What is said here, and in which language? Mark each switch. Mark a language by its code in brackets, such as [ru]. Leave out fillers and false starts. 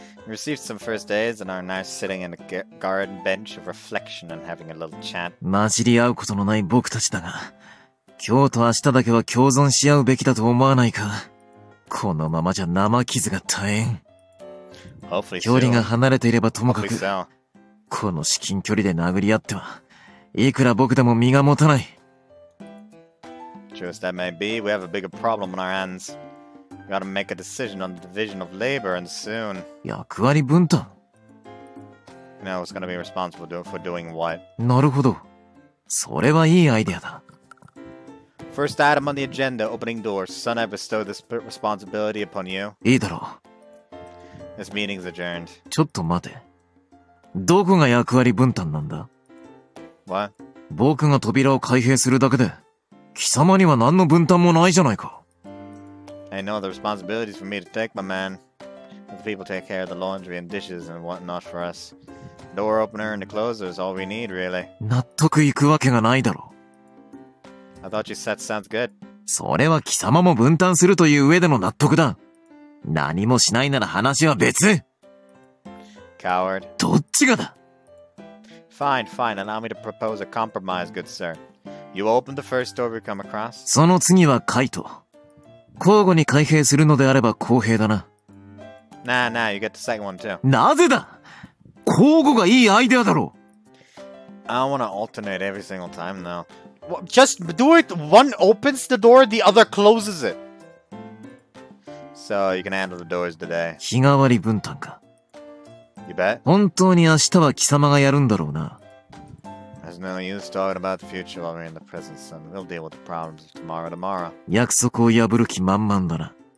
[en] We received some first aids and are now sitting in a garden bench of reflection and having a little chat. [ja] 混じり合うことのない僕たちだが、今日と明日だけは共存し合うべきだと思わないか? このままじゃ生傷が絶えん。 [en] Hopefully so. [ja] 距離が離れていればともかく、この至近距離で殴り合っては、いくら僕でも身が持たない。 [en] True as that may be, we have a bigger problem on our hands. Gotta make a decision on the division of labor and soon. [ja] 役割分担? [en] You know, it's gonna be responsible for doing what? [ja] なるほど. それはいいアイデアだ. [en] First item on the agenda, opening doors. Son, I bestow this responsibility upon you. [ja] いいだろう. [en] This meeting's adjourned. [ja] ちょっと待て. どこが役割分担なんだ? [en] What? [ja] 僕が扉を開閉するだけで, 貴様には何の分担もないじゃないか. [en] I know the responsibilities for me to take, my man. The people take care of the laundry and dishes and whatnot for us. Door opener and the closer is all we need, really. [ja] 納得いくわけがないだろ. [en] I thought you said sounds good. [ja] それは貴様も分担するという上での納得だ。何もしないなら話は別! [en] coward. [ja] どっちがだ? [en] Fine, fine. Allow me to propose a compromise, good sir. You open the first door we come across. [ja] その次はカイト。交互に開閉するのであれば公平だな。 [en] Nah, nah, you get the second one too. [ja] なぜだ? 交互がいいアイデアだろう。 [en] I don't want to alternate every single time, though. Just do it. One opens the door, the other closes it. So you can handle the doors today. [ja] 日替わり分担か? [en] You bet. [ja] 本当に明日は貴様がやるんだろうな? [en] There's no use talking about the future while we're in the present, son. We'll deal with the problems of tomorrow tomorrow. [ja] 約束を破る気満々だな。